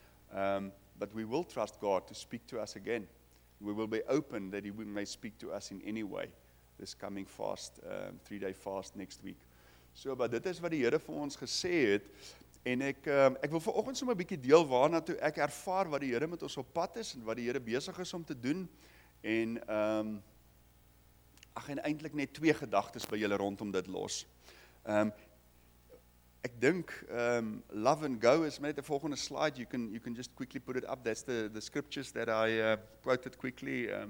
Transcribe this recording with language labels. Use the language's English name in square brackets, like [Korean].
[English] But we will trust God to speak to us again. We will be open that he may speak to us in any way this coming fast, 3-day fast next week. [Afrikaans] So, but dit is wat die Here vir ons gesê het, en ek wil vanoggend sommer 'n bietjie deel waarna toe ek ervaar wat die Here met ons op pad is, en wat die Here besig is om te doen, en ag, en eintlik net twee gedagtes by julle rondom dit los. Ek dink, [English] love and go [Afrikaans] is met die volgende [English] slide, you can just quickly put it up, that's the scriptures that I quoted quickly.